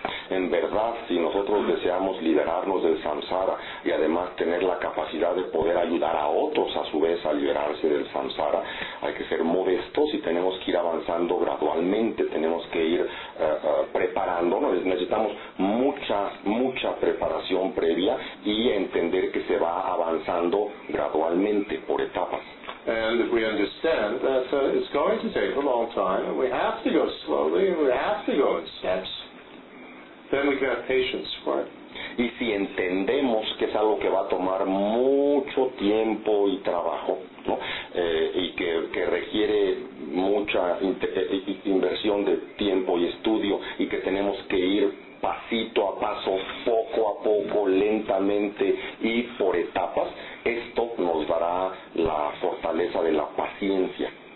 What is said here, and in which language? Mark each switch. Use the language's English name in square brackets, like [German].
[Spanish] En verdad, si nosotros deseamos liberarnos del samsara y además tener la capacidad de poder ayudar a otros a su vez a liberarse del samsara, hay que ser modestos y tenemos que ir avanzando gradualmente, tenemos que ir preparándonos, necesitamos mucha preparación previa y entender que se va avanzando gradualmente por etapas. [English] And if we understand that it's going to take a long time, we have to go slowly, we have to go in steps, then we can have patience for it. [Spanish] Y si entendemos que es algo que va a tomar mucho tiempo y trabajo, ¿no? Y que requiere mucha inversión de tiempo y estudio, y que tenemos que ir pasito a paso, poco a poco, lentamente y por etapas, esto nos dará la fortaleza de la paciencia.